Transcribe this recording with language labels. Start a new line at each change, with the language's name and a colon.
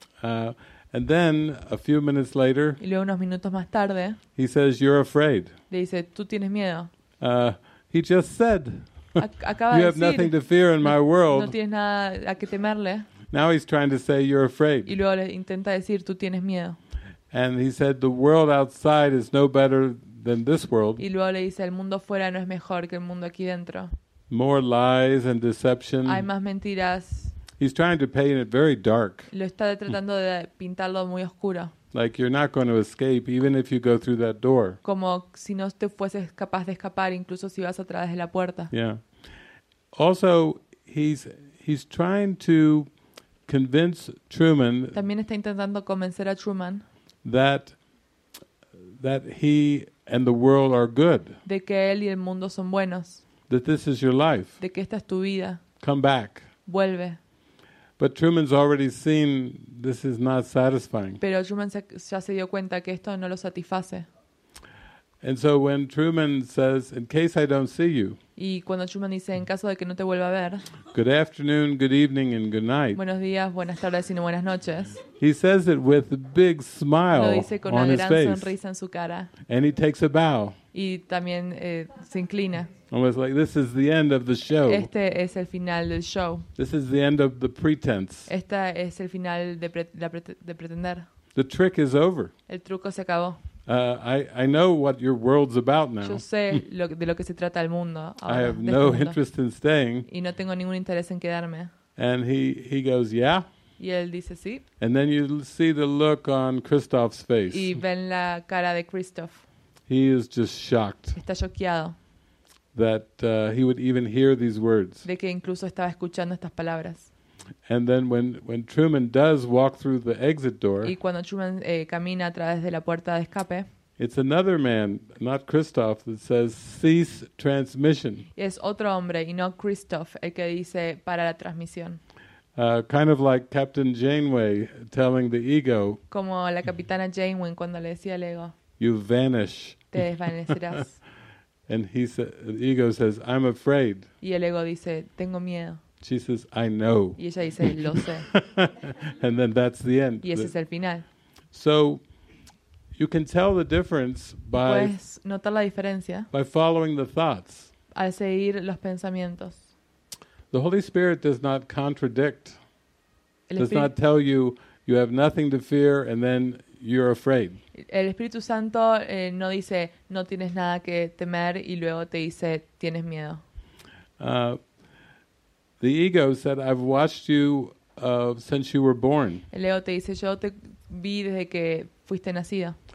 English: And then a few minutes later,
Spanish: y luego unos minutos más tarde,
English: he says, "You're afraid."
Spanish: Le dice, tú tienes miedo.
English: He just said,
Spanish: acaba
English: "You
Spanish: de
English: have
Spanish: decir,
English: nothing to fear in my world."
Spanish: No tienes nada a que temerle.
English: Now he's trying to say, "You're afraid."
Spanish: Y luego le intenta decir, tú tienes miedo.
English: And he said, "The world outside is no better than this world."
Spanish: Y luego le dice, el mundo fuera no es mejor que el mundo aquí dentro.
English: More lies and deception.
Spanish: Hay más mentiras.
English: He's trying to paint it very dark.
Spanish: Lo está tratando de pintarlo muy oscuro.
English: Like you're not going to escape even if you go through that door.
Spanish: Como si no te fueses capaz de escapar incluso si vas a través de la puerta.
English: Yeah. Also, he's trying to convince Truman.
Spanish: También está intentando convencer a Truman
English: that he and the world are good.
Spanish: De que él y el mundo son buenos.
English: That this is your life.
Spanish: De que esta es tu vida.
English: Come back.
Spanish: Vuelve.
English: But Truman's already seen this is not satisfying.
Spanish: Pero Truman ya se dio cuenta que esto no lo satisface.
English: And so when Truman says, "In case I don't see you,"
Spanish: y cuando Truman dice, en caso de que no te vuelva a ver,
English: "Good afternoon, good evening, and good night."
Spanish: Buenos días, buenas tardes y buenas noches.
English: He says it with a big smile on his face.
Spanish: Lo dice con una gran sonrisa en su cara.
English: And he takes a bow.
Spanish: Y también se inclina.
English: Almost like this is the end of the show.
Spanish: Este es el final del show.
English: This is the end of the pretense.
Spanish: Esta es el final de pretender.
English: The trick is over.
Spanish: El truco se acabó.
English: I know what your world's about now.
Spanish: Yo sé de lo que se trata el mundo ahora.
English: I have no interest in staying.
Spanish: Y no tengo ningún interés en quedarme.
English: And he goes, "Yeah."
Spanish: Y él dice, "Sí."
English: And then you see the look on Christoph's face.
Spanish: Y ven la cara de Christoph.
English: He is just shocked.
Spanish: Está choqueado.
English: That he would even hear these words.
Spanish: De que incluso estaba escuchando estas palabras.
English: And then when Truman does walk through the exit door,
Spanish: y cuando Truman camina a través de la puerta de escape,
English: it's another man, not Christoph, that says, "Cease transmission."
Spanish: Es otro hombre y no Christoph el que dice para la transmisión.
English: Kind of like Captain Janeway telling the ego.
Spanish: Como la capitana Janeway cuando le decía al ego.
English: You vanish.
Spanish: Te desvanecerás.
English: And the ego says, "I'm afraid."
Spanish: Y el ego dice, tengo miedo.
English: She says, "I know."
Spanish: Y ella dice, lo sé.
English: And then that's the end.
Spanish: Y ese es el final.
English: So you can tell the difference by
Spanish: puedes notar la diferencia
English: by following the thoughts.
Spanish: Al seguir los pensamientos.
English: The Holy Spirit does not contradict. Does not tell you have nothing to fear and then you're afraid.
Spanish: El Espíritu Santo no dice no tienes nada que temer y luego te dice tienes miedo.
English: The ego said, "I've watched you since you were born."
Spanish: El ego te dice, yo te vi desde que fuiste nacido.